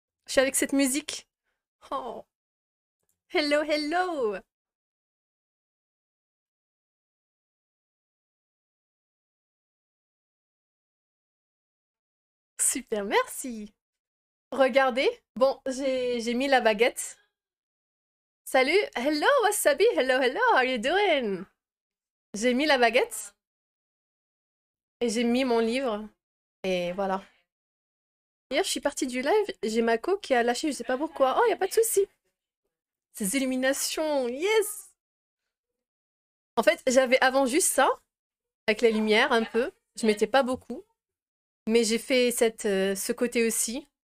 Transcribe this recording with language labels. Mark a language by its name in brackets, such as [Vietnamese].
[French] Je suis avec cette musique. Oh. Hello, hello! Super, merci! Regardez, bon, j'ai mis la baguette. Salut, [English] hello, Wasabi, hello, hello, how are you doing? [French] J'ai mis la baguette et j'ai mis mon livre et voilà. Hier, je suis partie du live, j'ai Mako qui a lâché, je sais pas pourquoi. Oh, il n'y a pas de souci. Ces illuminations, yes! En fait, j'avais avant juste ça, avec la lumière un peu, je mettais pas beaucoup, mais j'ai fait ce côté aussi.